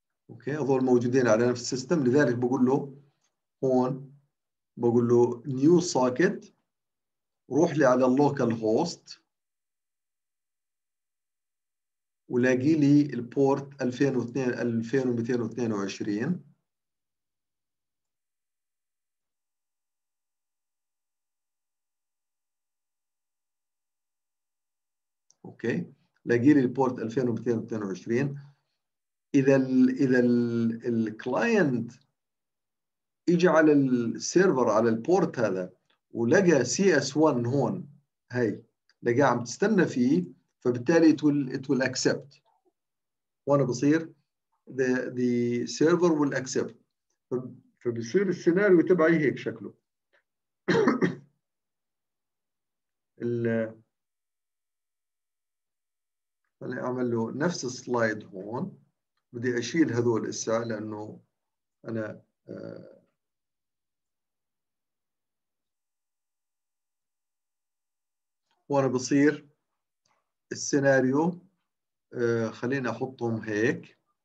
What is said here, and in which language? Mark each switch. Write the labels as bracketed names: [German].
[Arabic] اوكي هذول موجودين على نفس السيستم، لذلك بقول له هون بقول له نيو ساكت روح لي على اللوكال هوست ولاقي لي البورت 2222 اوكي لاقي لي البورت 2222. إذا الكلاينت إجى على السيرفر على البورت هذا ولقى CS1 هون هاي لقاه عم تستنى فيه، فبالتالي [English] it will accept. [Arabic] وأنا بصير [English] the server will accept. [Arabic] فبصير السيناريو تبعي هيك شكله. خليني أعمل له نفس السلايد هون. بدي أشيل هذول الساعة لأنه أنا وأنا بصير السيناريو خليني أحطهم هيك.